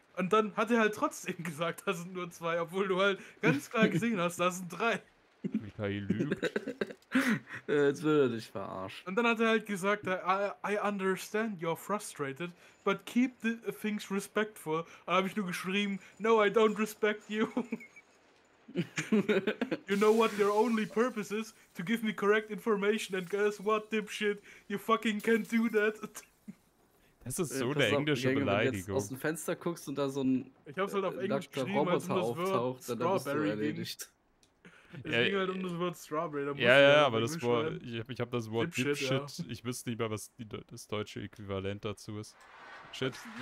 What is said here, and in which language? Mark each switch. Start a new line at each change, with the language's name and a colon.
German: Und dann hat er halt trotzdem gesagt, das sind nur zwei, obwohl du halt ganz klar gesehen hast, das sind drei. Michael lügt. Jetzt würde er dich verarschen. Und dann hat er halt gesagt,
English: I understand you're frustrated, but keep the things respectful.
German: Und dann habe ich nur geschrieben,
English: no, I don't respect you. You know what your only purpose is? To give me correct information and guess what, dipshit? You fucking can't do that.
German: Das ist so eine englische Beleidigung. Wenn du jetzt aus dem Fenster guckst und da so ein ich hab's halt auf Englisch geschrieben, Roboter auftaucht,
English: Strawberry
German: dann bist du erledigt. Es ging halt um das Wort Strawberry. Da ja, ja, aber das Wort, ich hab das Wort Dipshit. Ja. Ich wüsste nicht mehr, was das deutsche Äquivalent dazu ist. Shit.